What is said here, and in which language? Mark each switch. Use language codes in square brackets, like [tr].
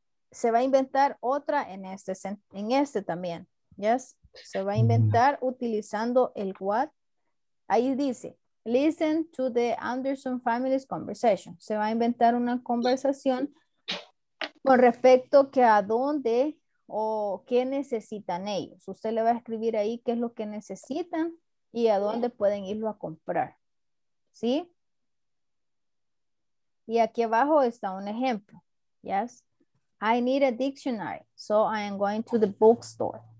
[es] Se va a inventar otra en este también. [en] Yes. [es] Se va a inventar utilizando el what. Ahí dice, [en] listen to the Anderson family's conversation. [es] Se va a inventar una conversación con respecto que a dónde o qué necesitan ellos. Usted le va a escribir ahí qué es lo que necesitan y a dónde pueden irlo a comprar. ¿Sí? Y aquí abajo está un ejemplo. [en] Yes. I need a dictionary, so I am going to the bookstore.